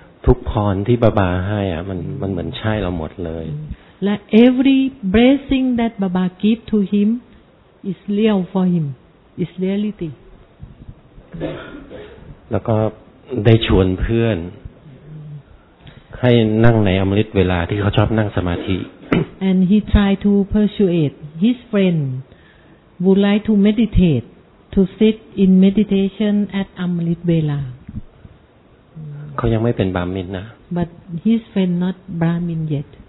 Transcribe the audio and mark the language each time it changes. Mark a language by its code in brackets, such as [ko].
[th] ทุกพรที่บาบาให้มันเหมือนใช่เราหมดเลย [en] และ every blessing that baba give to him is real for him is reality [th] แล้วก็ได้ชวนเพื่อนให้นั่งในอมฤตเวลาที่เขาชอบนั่งสมาธิ [en] and he try to persuade his friend would like to meditate to sit in meditation at amrit vela [th] เขายังไม่เป็นบราหมินนะ [en] but his friend not brahmin yet